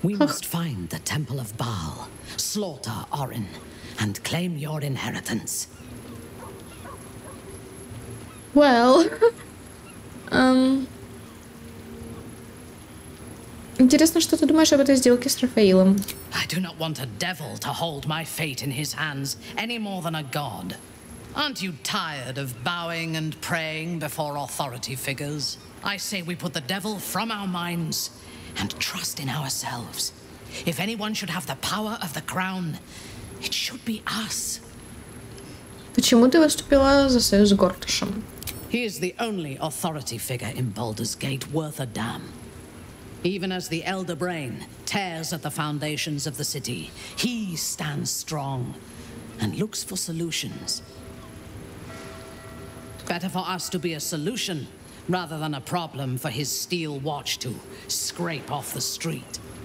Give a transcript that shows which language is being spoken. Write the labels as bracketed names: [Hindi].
[English] We must find the Temple of Baal. Slaughter Orin and claim your inheritance. [Russian] Well, Интересно, что ты думаешь об этой сделке с Рафаилом? [English] I do not want a devil to hold my fate in his hands any more than a god. Aren't you tired of bowing and praying before authority figures? I say we put the devil from our minds and trust in ourselves. If anyone should have the power of the crown, it should be us. [Russian] Почему ты выступила за союз с Гортышем? [English] He is the only authority figure in Baldur's Gate worth a damn. Even as the Elder Brain tears at the foundations of the city, he stands strong and looks for solutions. Better for us to be a solution rather than a problem for his steel watch to scrape off the street.